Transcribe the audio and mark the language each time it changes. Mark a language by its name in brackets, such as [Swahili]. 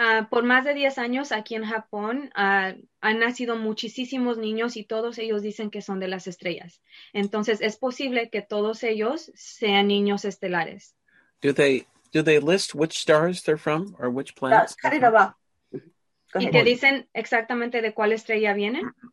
[Spanish] Por más de 10 años aquí en Japón han nacido muchísimos niños y todos ellos dicen que son de las estrellas. Entonces es posible que todos ellos sean niños estelares. [English] Do they list which stars they're from or which planets? Cut it off. [Spanish] ¿Y te dicen exactamente de cuál estrella vienen?